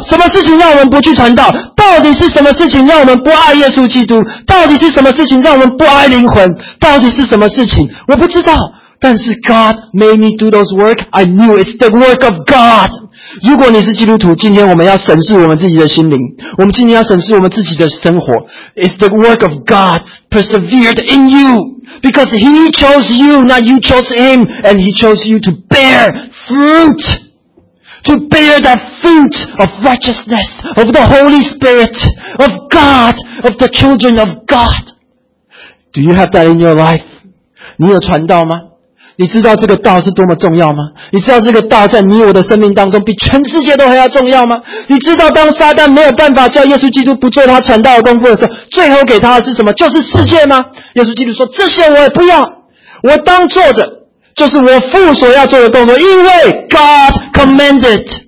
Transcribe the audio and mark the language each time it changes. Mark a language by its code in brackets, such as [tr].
[zh] 什么事情让我们不去传道？到底是什么事情让我们不爱耶稣基督？到底是什么事情让我们不爱灵魂？到底是什么事情？我不知道。但是 [en] God made me do those work. I knew it's the work of God. [zh] 如果你是基督徒，今天我们要审视我们自己的心灵，我们今天要审视我们自己的生活。 [en] It's the work of God persevered in you. Because he chose you, not you chose him. And he chose you to bear fruit. To bear that fruit of righteousness, of the Holy Spirit, of God, of the children of God. Do you have that in your life? [zh] 你有传道吗？你知道这个道是多么重要吗？你知道这个道在你我的生命当中比全世界都还要重要吗？你知道当撒旦没有办法叫耶稣基督不做他传道的功夫的时候，最后给他的是什么？就是世界吗？耶稣基督说，这些我也不要，我当做的就是我父所要做的动作，因为 [en] God commanded。